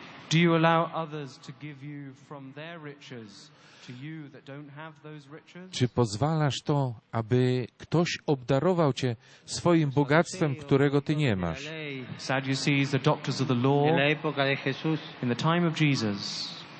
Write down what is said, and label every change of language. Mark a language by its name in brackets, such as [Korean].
[English] Do you allow others to give you from their riches to you that don't have those riches? [Polish] Czy pozwalasz to, aby ktoś obdarował cię swoim bogactwem, którego ty nie masz? [English] Sadducees, the doctors of the law, in the time of Jesus,